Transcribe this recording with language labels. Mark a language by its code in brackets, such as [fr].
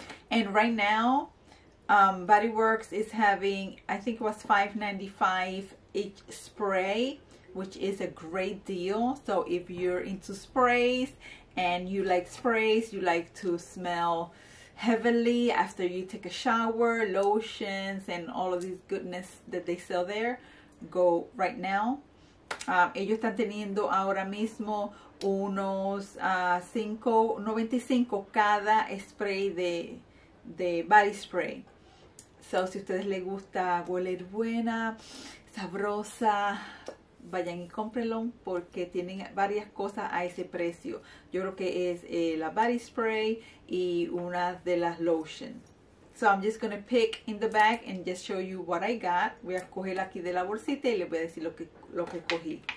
[en] And right now, Body Works is having, I think it was $5.95 each spray, which is a great deal. So if you're into sprays and you like sprays, you like to smell heavily after you take a shower, lotions, and all of these goodness that they sell there, go right now. [es] Ellos están teniendo ahora mismo unos 5.95 cada spray de body spray. So, si a ustedes les gusta oler buena, sabrosa, vayan y cómprenlo porque tienen varias cosas a ese precio. Yo creo que es la body spray y una de las lotions. [en] So, I'm just going to pick in the bag and just show you what I got. [es] Voy a coger aquí de la bolsita y les voy a decir lo que cogí.